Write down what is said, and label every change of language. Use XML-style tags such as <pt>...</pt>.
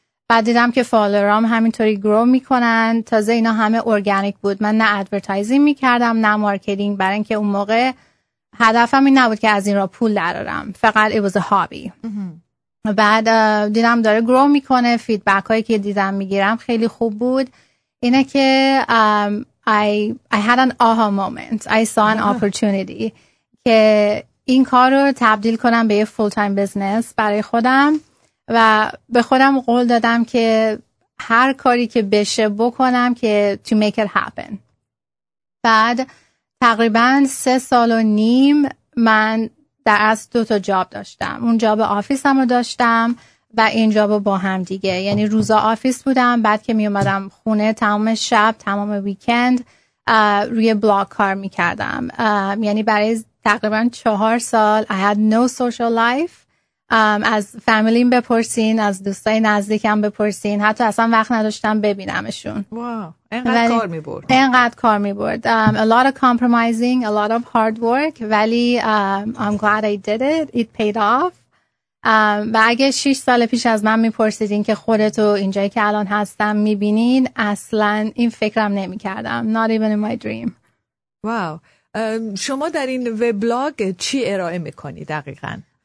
<fa>بعد دیدم که فالورام همینطوری گرو میکنن. تازه اینا همه ارگانیک بود، من نه ادورتایزینگ میکردم نه مارکتینگ، برای اینکه اون موقع هدفم این نبود که از این را پول درارم، فقط</fa> <en>it was a hobby.</en> <fa>بعد دیدم داره گرو میکنه، فیدبک هایی که دیدم میگیرم خیلی خوب بود. اینه که</fa> <en>I had an aha moment. I saw an opportunity</en> <fa>که این کار رو تبدیل کنم به یه فول تایم بزنس برای خودم و به خودم قول دادم که هر کاری که بشه بکنم که</fa> <en>to make it happen.</en> <fa>بعد تقریبا 3.5 سال من در از 2 تا جاب داشتم. اون جاب آفیسم رو داشتم و این جاب رو با هم دیگه. یعنی روزا آفیس بودم، بعد که می اومدم خونه تمام شب تمام ویکند روی بلاگ کار می کردم. یعنی برای تقریبا 4 سال</fa> <en>I had no social life.</en> <fa>از فامیلیم بپرسین، از دوستای نزدیکم بپرسین، حتی اصلا وقت نداشتم ببینمشون. واو، اینقدر کار می‌برد. اینقدر کار می‌برد.</fa> <en>A lot of compromising, a lot of hard work,</en> <fa>ولی</fa> <en>I'm glad I did it. It paid off.</en> <fa>و اگه 6 سال پیش از من می‌پرسیدین که خودتو اینجایی که الان هستم می‌بینین، اصلاً این فکرم نمی‌کردم.</fa> <en>Not even in my dream.</en> <fa>واو. شما در این وبلاگ چی ارائه می‌کنی دقیقاً؟</fa>